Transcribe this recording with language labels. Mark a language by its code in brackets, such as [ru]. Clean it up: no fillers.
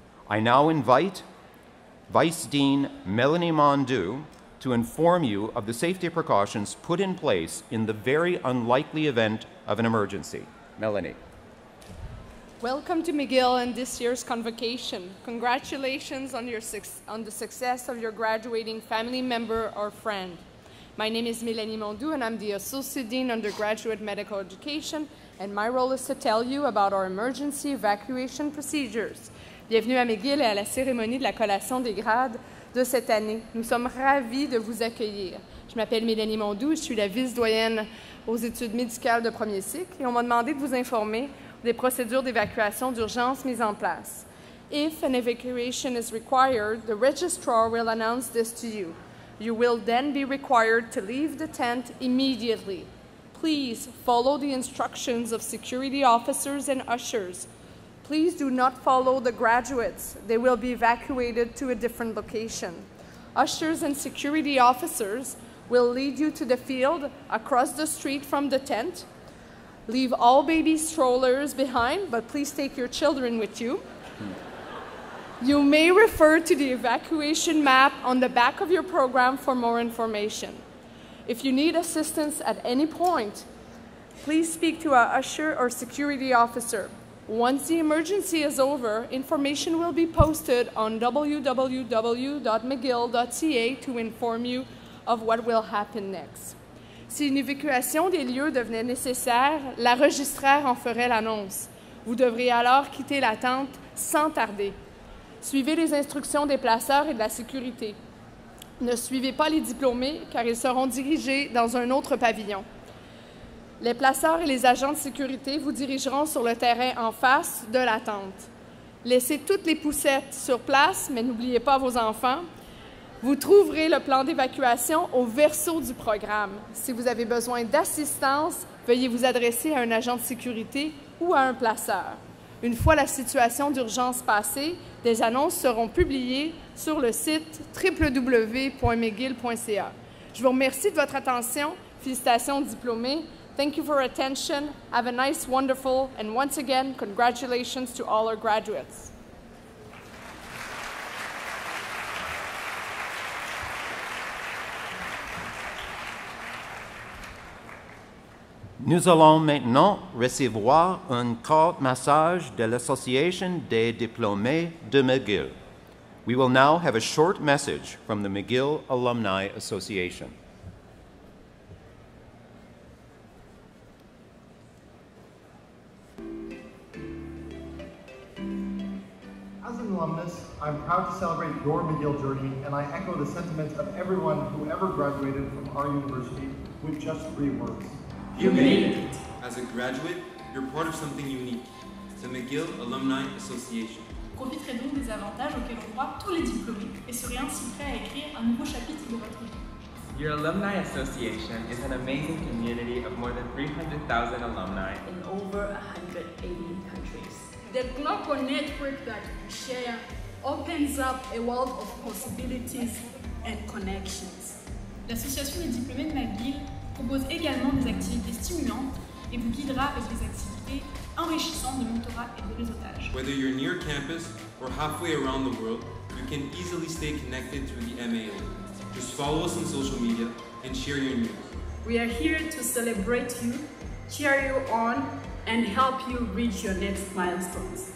[en] I now invite Vice Dean Mélanie Mondou to inform you of the safety precautions put in place in the very unlikely event of an emergency. Mélanie. Welcome to McGill and this year's convocation. Congratulations on the success of your graduating family member or friend. My name is Mélanie Mondou and I'm the Associate Dean Undergraduate Medical Education, and my role is to tell you about our emergency evacuation procedures. [fr] Bienvenue à McGill et à la cérémonie de la collation des grades de cette année. Nous sommes ravis de vous accueillir. Je m'appelle Mélanie Mondou, je suis la vice-doyenne aux études médicales de premier cycle et on m'a demandé de vous informer des procédures d'évacuation d'urgence mises en place. [en] If an evacuation is required, the registrar will announce this to you. You will then be required to leave the tent immediately. Please follow the instructions of security officers and ushers. Please do not follow the graduates. They will be evacuated to a different location. Ushers and security officers will lead you to the field across the street from the tent. Leave all baby strollers behind, but please take your children with you. You may refer to the evacuation map on the back of your program for more information. If you need assistance at any point, please speak to our usher or security officer. Once the emergency is over, information will be posted on www.mcgill.ca to inform you of what will happen next. [fr] Si une évacuation des lieux devenait nécessaire, la registrar en ferait l'annonce. Vous devriez alors quitter la tente sans tarder. Suivez les instructions des placeurs et de la sécurité. Ne suivez pas les diplômés, car ils seront dirigés dans un autre pavillon. Les placeurs et les agents de sécurité vous dirigeront sur le terrain en face de la tente. Laissez toutes les poussettes sur place, mais n'oubliez pas vos enfants. Vous trouverez le plan d'évacuation au verso du programme. Si vous avez besoin d'assistance, veuillez vous adresser à un agent de sécurité ou à un placeur. Une fois la situation d'urgence passée, des annonces seront publiées sur le site www.mcgill.ca. Je vous remercie de votre attention. Félicitations aux diplômés. [en] Thank you for your attention. Have a nice, wonderful, and once again, congratulations to all our graduates. [fr] Nous allons maintenant recevoir un court message de l'Association des diplômés de McGill. [en] We will now have a short message from the McGill Alumni Association. As an alumnus, I'm proud to celebrate your McGill journey, and I echo the sentiments of everyone who ever graduated from our university with just three words. You made it. As a graduate, you're part of something unique, the McGill Alumni Association. [fr] Profiterez donc des avantages auxquels ont droit tous les diplômés et serez ainsi prêt à écrire un nouveau chapitre de votre vie. [en] Your Alumni Association is an amazing community of more than 300,000 alumni in over 180 countries. The global network that we share opens up a world of possibilities and connections. [fr] L'Association des diplômés de McGill propose également des activités stimulantes et vous guidera avec des activités enrichissantes de mentorat et de réseautage. [en] Whether you're near campus or halfway around the world, you can easily stay connected through the MAA. Just follow us on social media and share your news. We are here to celebrate you, cheer you on, and help you reach your next milestones.